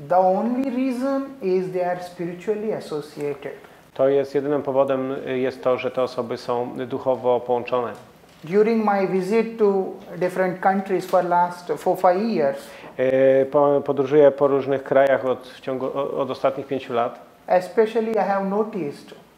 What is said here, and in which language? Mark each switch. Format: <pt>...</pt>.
<en>The only reason is they are spiritually associated.</en> <pl>To jest jedynym powodem jest to, że te osoby są duchowo połączone.</pl> <en>During my visit to different countries for last 4-5 years.</en> <pl>Podróżuję po różnych krajach od ostatnich 5 lat.</pl> <en>Especially I have noticed.</en>